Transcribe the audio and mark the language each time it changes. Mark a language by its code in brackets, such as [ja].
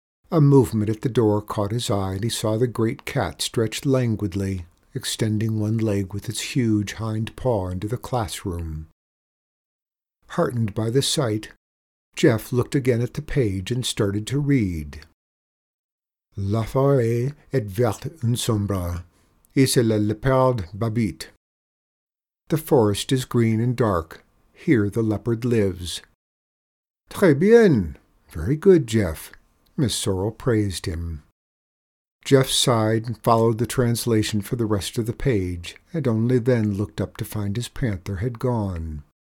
[en] A movement at the door caught his eye, and he saw the great cat stretch languidly, extending one leg with its huge hind paw into the classroom. Heartened by the sight, Jeff looked again at the page and started to read. [fr] La forêt est verte et sombre, et c'est le leopard babite. [en] The forest is green and dark. Here the leopard lives. [fr] Très bien. [en] Very good, Jeff. Miss Sorrel praised him. Jeff sighed and followed the translation for the rest of the page, and only then looked up to find his panther had gone.